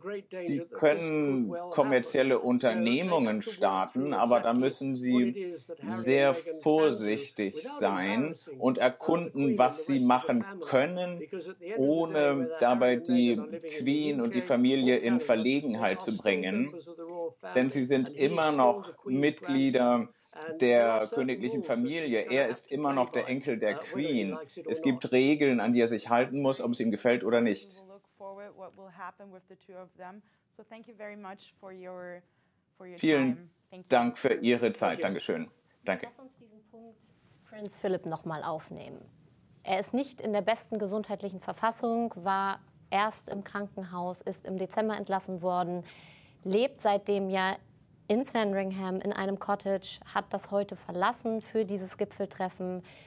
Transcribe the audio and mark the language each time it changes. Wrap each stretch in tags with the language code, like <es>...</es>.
<de>Sie können kommerzielle Unternehmungen starten, aber da müssen sie sehr vorsichtig sein und erkunden, was sie machen können, ohne dabei die Queen und die Familie in Verlegenheit zu bringen. Denn sie sind immer noch Mitglieder der königlichen Familie. Er ist immer noch der Enkel der Queen. Es gibt Regeln, an die er sich halten muss, ob es ihm gefällt oder nicht.</de> <en>What will happen with the two of them. So thank you very much for your</en> <de>Vielen</de> <en>time.</en> <de>Dank für Ihre Zeit. Dankeschön. Danke. Lass uns diesen Punkt Prinz Philip nochmal aufnehmen. Er ist nicht in der besten gesundheitlichen Verfassung, war erst im Krankenhaus, ist im Dezember entlassen worden, lebt seitdem ja in Sandringham in einem Cottage, hat das heute verlassen für dieses Gipfeltreffen.</de>